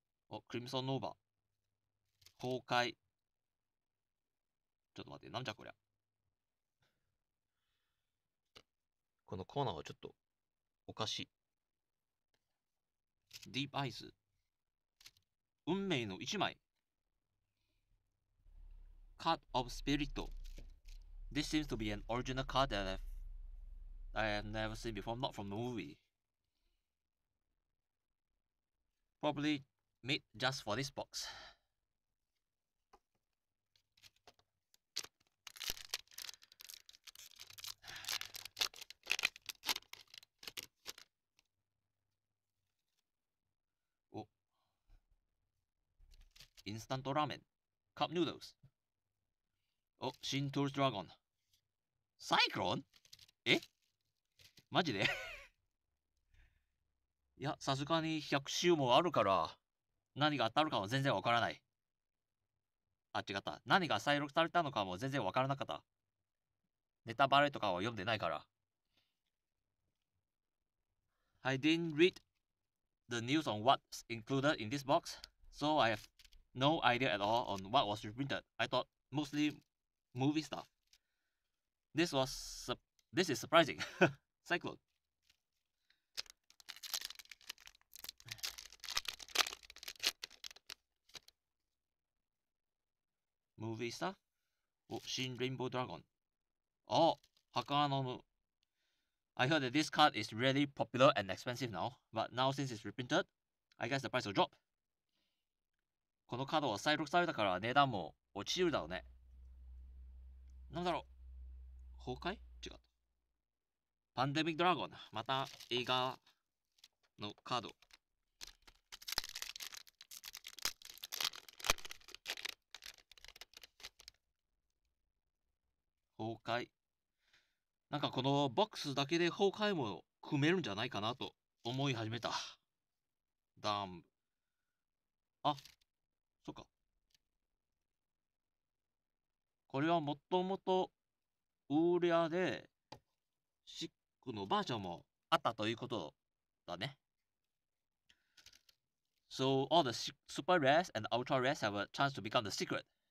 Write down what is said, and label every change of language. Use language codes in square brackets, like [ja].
[ja] お、クリムソンノーバー。崩壊。ちょっと待って、なんじゃこりゃ。このコーナーはちょっと。おかしい。ディープアイス、運命の一枚。カードオブスピリット。 [en] This seems to be an original card that I have never seen before, not from the movie. Probably made just for this box. [ja] インスタントラーメン、カップヌードルス。お、シントルドラゴン。サイクロン？え？マジで？いや、さすがに100周もあるから、何が当たるかも全然わからない。あ、違った。何が再録されたのかも全然わからなかった。ネタバレとかは読んでないから。 [en] I didn't read the news on what's included in this box, so I have no idea at all on what was reprinted. I thought mostly movie stuff. This is surprising. Cyclone. [ja] モービースター？お、新レインボードラゴン。お、ハカノム。 [en] I heard that this card is really popular and expensive now, but now since it's reprinted, I guess the price will drop. [ja] このカードは再録されたから値段も落ちるだろうね。なんだろう？崩壊？違う。パンデミックドラゴン。また映画のカード。崩壊。なんかこのボックスだけで崩壊も組めるんじゃないかなと思い始めた。ダーン。あ、そっか。これはもともとウーリアでシックのバージョンもあったということだね。 [en] So all the super rares and ultra rares have a chance to become the secret.